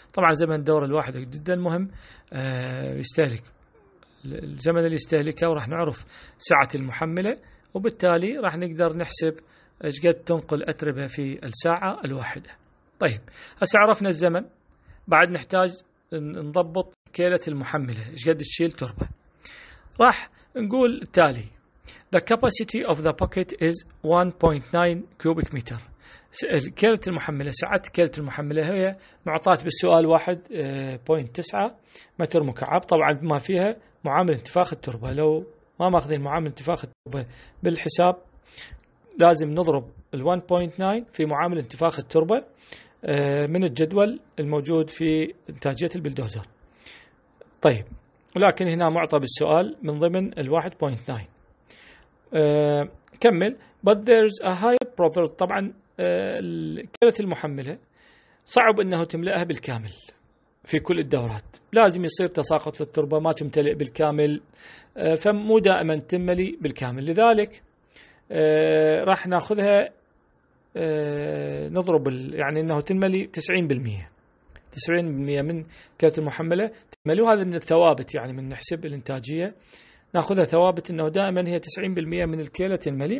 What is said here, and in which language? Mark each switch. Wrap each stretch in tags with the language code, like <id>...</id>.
<ar>طبعا زمن الدورة الواحدة جدا مهم، يستهلك الزمن اللي يستهلكه، وراح نعرف سعة المحملة، وبالتالي راح نقدر نحسب ايش قد تنقل اتربه في الساعه الواحده. طيب هسه عرفنا الزمن، بعد نحتاج نضبط كيله المحمله ايش قد تشيل تربه. راح نقول التالي:</ar> <en>The capacity of the pocket is 1.9 cubic meter.</en> <ar>كيله المحمله، سعه كيله المحمله هي معطاه بالسؤال 1.9 متر مكعب، طبعا بما فيها معامل انتفاخ التربه، لو ما ماخذين معامل انتفاخ التربة بالحساب لازم نضرب ال 1.9 في معامل انتفاخ التربة من الجدول الموجود في انتاجية البلدوزر. طيب ولكن هنا معطى بالسؤال من ضمن ال 1.9. كمل:</ar> <en>But there's a high probability،</en> <ar>طبعا كيلة المحملة صعب أنه تملأها بالكامل في كل الدورات، لازم يصير تساقط في التربة ما تمتلئ بالكامل، فمو دائما تملي بالكامل. لذلك راح نأخذها نضرب يعني أنه تملي 90%، 90% من كرة المحملة تملي، وهذا من الثوابت يعني من نحسب الانتاجية نأخذها ثوابت أنه دائما هي 90% من الكيلة تملي.</ar>